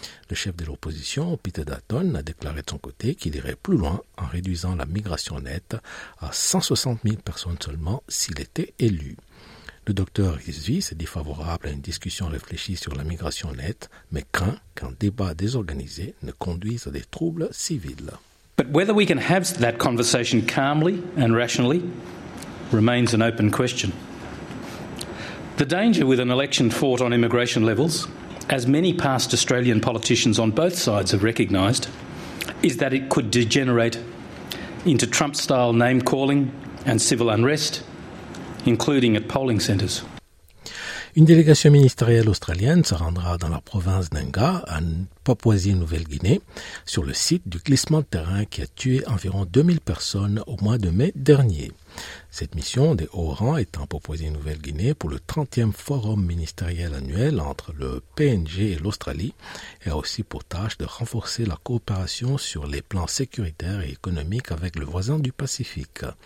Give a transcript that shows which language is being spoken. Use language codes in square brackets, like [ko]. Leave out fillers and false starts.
[fr] Le chef de l'opposition, Peter Dutton, a déclaré de son côté qu'il irait plus loin en réduisant la migration nette à 160 000 personnes seulement s'il était élu. Le docteur Rizvi s'est dit favorable à une discussion réfléchie sur la migration nette, mais craint qu'un débat désorganisé ne conduise à des troubles civils. [en] But whether we can have that conversation calmly and rationally remains an open question. The danger with an election fought on immigration levels, as many past Australian politicians on both sides have recognised, is that it could degenerate into Trump-style name-calling and civil unrest, including at polling centres. [fr] Une délégation ministérielle australienne se rendra dans la province d'Enga, en Papouasie-Nouvelle-Guinée, sur le site du glissement de terrain qui a tué environ 2000 personnes au mois de mai dernier. Cette mission des hauts rangs est en Papouasie-Nouvelle-Guinée pour le 30e forum ministériel annuel entre le PNG et l'Australie et a aussi pour tâche de renforcer la coopération sur les plans sécuritaires et économiques avec le voisin du Pacifique.